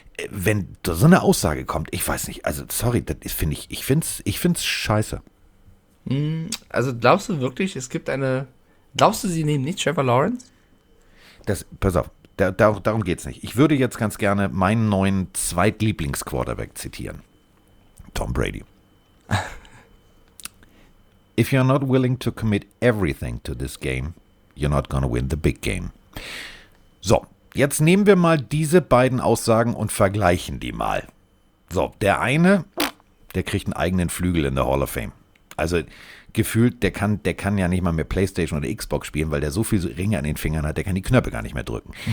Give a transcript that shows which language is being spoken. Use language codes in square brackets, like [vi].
[de] Wenn so eine Aussage kommt, ich weiß nicht, also sorry, das finde ich, ich find's scheiße. Also glaubst du wirklich, es gibt eine, glaubst du, sie nehmen nicht Trevor Lawrence? Pass auf, darum geht's nicht. Ich würde jetzt ganz gerne meinen neuen Zweitlieblings-Quarterback zitieren. Tom Brady. [en] If you're not willing to commit everything to this game, you're not gonna win the big game. [de] So, jetzt nehmen wir mal diese beiden Aussagen und vergleichen die mal. So, der eine, der kriegt einen eigenen Flügel in der Hall of Fame. Also, gefühlt, der kann ja nicht mal mehr PlayStation oder Xbox spielen, weil der so viele Ringe an den Fingern hat, der kann die Knöpfe gar nicht mehr drücken.